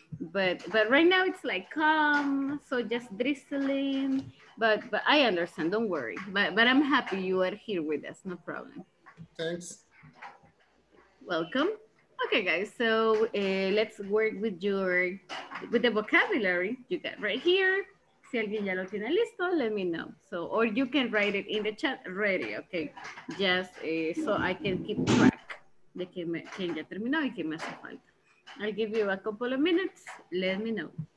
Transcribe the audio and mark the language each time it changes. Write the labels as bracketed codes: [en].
[en] But right now it's like calm, so just drizzling. But I understand, don't worry. But I'm happy you are here with us, no problem. Thanks. Welcome. Okay, guys, so let's work with your, with the vocabulary you got right here. [es] Si alguien ya lo tiene listo, [en] let me know. So, or you can write it in the chat ready, okay? Just so I can keep track [es] de que me, quien ya terminó y que me hace falta. [en] I'll give you a couple of minutes, let me know.